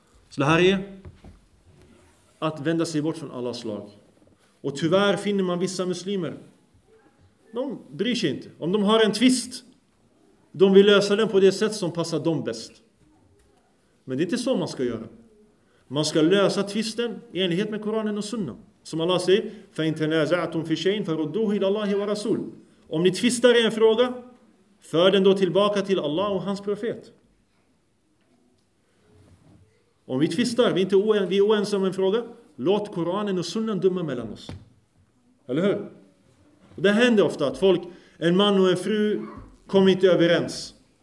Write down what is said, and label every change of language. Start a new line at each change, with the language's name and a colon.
Swedish: Så det här är att vända sig bort från Allahs lag. Och tyvärr finner man vissa muslimer. De bryr sig inte. Om de har en tvist, de vill lösa den på det sätt som passar dem bäst. Men det är inte så man ska göra. Man ska lösa tvisten i enlighet med Koranen och Sunna. Som Allah säger,
Arabic: فَإِنْ تَنَازَعْتُمْ فِي شَيْنْ فَرُدُّوهُ إِلَى اللَّهِ وَرَسُولٍ.
Swedish: Om ni tvistar i en fråga, för den då tillbaka till Allah och hans profet. Om vi tvistar, vi är oense om en fråga, låt Koranen och Sunna döma mellan oss. Eller hur? Och det händer ofta att folk, en man och en fru, kommer inte överens.